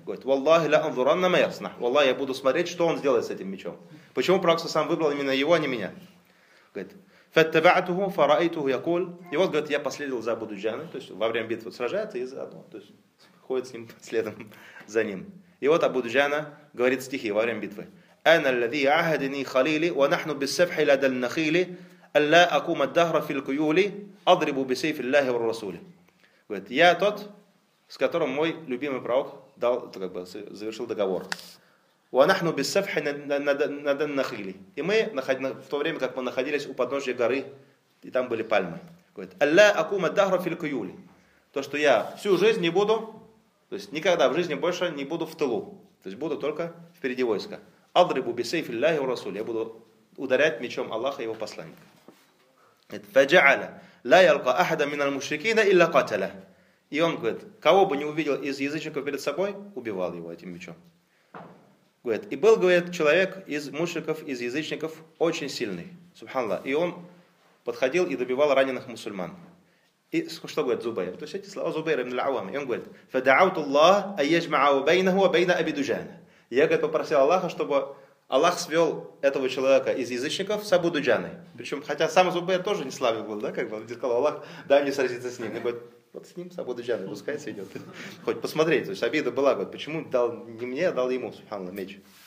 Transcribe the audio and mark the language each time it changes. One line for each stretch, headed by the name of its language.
Russian: Говорит,
Arabic: وَاللَّهِ لَأَنْظُرَنَّ مَا يَصْنَعُ
Russian: Валлах, я буду смотреть, что он сделает с этим мечом. Почему пророк
Arabic: صلى الله عليه وسلم
Russian: выбрал именно его, а не меня? Говорит,
Arabic: فَاتَّبَعْتُهُ فَرَأَيْتُهُ يَقُولُ
Russian: И вот, говорит, я последовал за Абу Дуджаной. То есть во время битвы сражается и заодно. То есть ходит с ним следом за ним. И вот Абу Дуджана говорит стихи во время битвы.
Arabic: أنا الذي عهدني خليلي ونحن بالسفح لدى النخيل ألا أقوم الدهر في الكيول أضرب بسيف الله والرسول.
Russian: Говорит, я тот, с которым мой любимый пророк дал, как бы, завершил договор.
Arabic: ونحن بالسفح لدى النخيل.
Russian: И мы в то время, как мы находились у подножия горы, и там были пальмы. Говорит,
Arabic: ألا أقوم الدهر في الكيول.
Russian: То, что я всю жизнь не буду, то есть никогда в жизни больше не буду в тылу. То есть буду только впереди войска.
Arabic: أضرب بسيف الله ورسوله.
Russian: Я буду ударять мечом Аллаха и его посланника.
Arabic: فجعل لا يلقى أحد من المشركين إلا قتله.
Russian: И он говорит, кого бы не увидел из язычников перед собой, убивал его этим мечом. Говорит, и был, говорит, человек из мушриков, из язычников, очень сильный. Субханаллах. И он подходил и добивал раненых мусульман. И что говорит Зубейр? То есть эти слова Зубейр ибн Аль-Ауам. И он говорит,
Arabic: فدعوت الله أن يجمع بينه وبين أبي دجان.
Russian: Я, говорит, попросил Аллаха, чтобы Аллах свел этого человека из язычников с Абу Дуджаной. Причем, хотя сам Зубейр тоже не славен был, да, как бы, он сказал, Аллах, дай мне сразиться с ним. И говорит, вот с ним, с Абу Дуджаной, пускай сойдет. Хоть посмотреть, то есть обида была, говорит, почему дал не мне, а дал ему, субханаллах, меч.